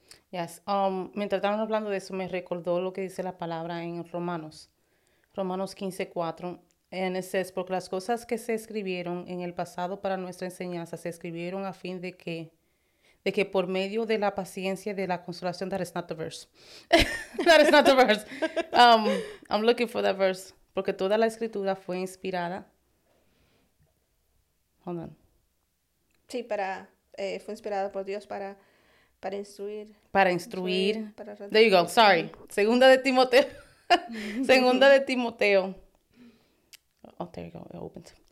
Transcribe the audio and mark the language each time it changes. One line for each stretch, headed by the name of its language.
Spanish: Mientras estábamos hablando de eso, me recordó lo que dice la palabra en Romanos 15:4.
English: And it says,
Spanish: porque las cosas que se escribieron en el pasado para nuestra enseñanza se escribieron a fin de que por medio de la paciencia de la consolación,
English: that is not the verse. That is not the verse. I'm looking for that verse.
Spanish: Porque toda la escritura fue inspirada.
English: Hold on.
Spanish: Sí, para fue inspirada por Dios para instruir, Para instruir. para
English: There you go,
Spanish: redarguir.
English: sorry.
Spanish: Segunda de Timoteo. Segunda de Timoteo.
English: Oh, there you go, it opens.